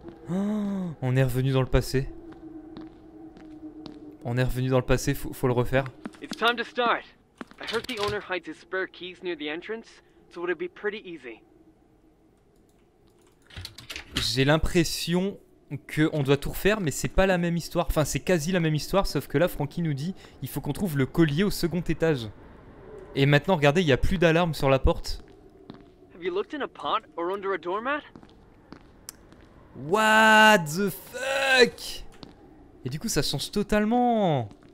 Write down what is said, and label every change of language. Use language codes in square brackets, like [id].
[fr] Oh, on est revenu dans le passé. On est revenu dans le passé, faut le refaire. [en] It's time to start. I heard the owner hides his spare keys near the entrance, so it'll be pretty easy. [fr] J'ai l'impression que on doit tout refaire, mais c'est pas la même histoire. Enfin, c'est quasi la même histoire, sauf que là, Francky nous dit il faut qu'on trouve le collier au second étage. Et maintenant, regardez, il n'y a plus d'alarme sur la porte. [en] Have you looked in a pot or under a doormat? What the fuck? [fr] Et du coup, ça change totalement.